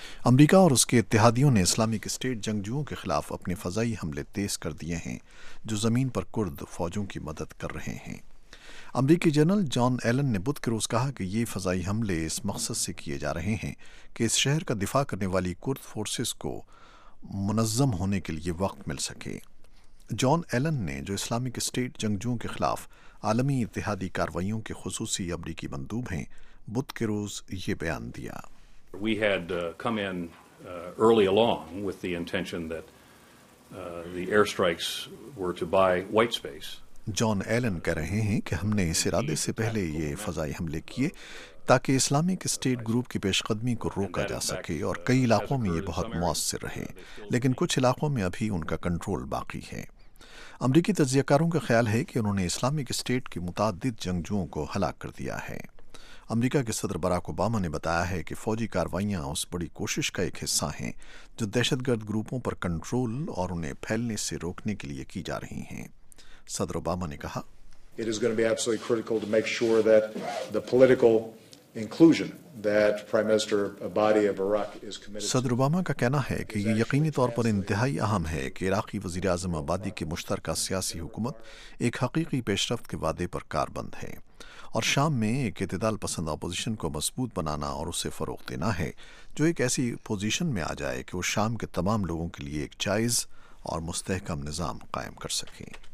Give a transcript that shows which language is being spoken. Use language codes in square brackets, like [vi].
[ur] امریکہ اور اس کے اتحادیوں نے اسلامک اسٹیٹ جنگجوؤں کے خلاف اپنے فضائی حملے تیز کر دیے ہیں جو زمین پر کرد فوجوں کی مدد کر رہے ہیں۔ امریکی جنرل جان ایلن نے بدھ کے روز کہا کہ یہ فضائی حملے اس مقصد سے کیے جا رہے ہیں کہ اس شہر کا دفاع کرنے والی کرد فورسز کو منظم ہونے کے لیے وقت مل سکے۔ جان ایلن نے، جو اسلامک اسٹیٹ جنگجوؤں کے خلاف عالمی اتحادی کارروائیوں کے خصوصی امریکی مندوب ہیں، بدھ کے روز یہ بیان دیا۔ [en] We had come in early along with the intention that the airstrikes were to buy white space. [ur] John Alan کہہ رہے ہیں کہ ہم نے اس ارادے سے پہلے یہ فضائی حملے کیے تاکہ اسلامک اسٹیٹ گروپ کی پیش قدمی کو روکا جا سکے، اور کئی علاقوں میں یہ بہت مؤثر رہے، لیکن کچھ علاقوں میں ابھی ان کا کنٹرول باقی ہے۔ امریکی تجزیہ کاروں کا خیال ہے کہ انہوں نے اسلامک اسٹیٹ کے متعدد جنگجوؤں کو ہلاک کر دیا ہے۔ امریکہ کے صدر براک اوباما نے بتایا ہے کہ فوجی کارروائیاں اس بڑی کوشش کا ایک حصہ ہیں جو دہشت گرد گروپوں پر کنٹرول اور انہیں پھیلنے سے روکنے کے لیے کی جا رہی ہیں۔ صدر اوباما نے کہا، [en] it is going to be absolutely critical to make sure that the political inclusion that Prime Minister Abadi of Iraq is committed. [ur] صدر اوباما کا کہنا ہے کہ یہ یقینی طور پر انتہائی اہم ہے کہ عراقی وزیراعظم آبادی کی مشترکہ سیاسی حکومت ایک حقیقی پیش رفت کے وعدے پر کاربند ہے, اور شام میں ایک اعتدال پسند اپوزیشن کو مضبوط بنانا اور اسے فروغ دینا ہے جو ایک ایسی پوزیشن میں آ جائے کہ وہ شام کے تمام لوگوں کے لیے ایک جائز اور مستحکم نظام قائم کر سکے.